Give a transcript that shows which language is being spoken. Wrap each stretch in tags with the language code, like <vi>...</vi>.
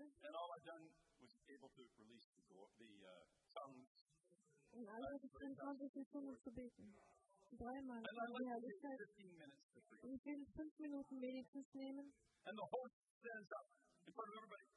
<en>And all I've done was able to release the tongues.</en> <de>Und alles, was ich dann konnte, ist die Zungen zu beten. Dreimal.</de> <en>And</en> <de>in der und ich will 5 Minuten wenigstens nehmen.</de> <en>And the host stands up in front of everybody.</en>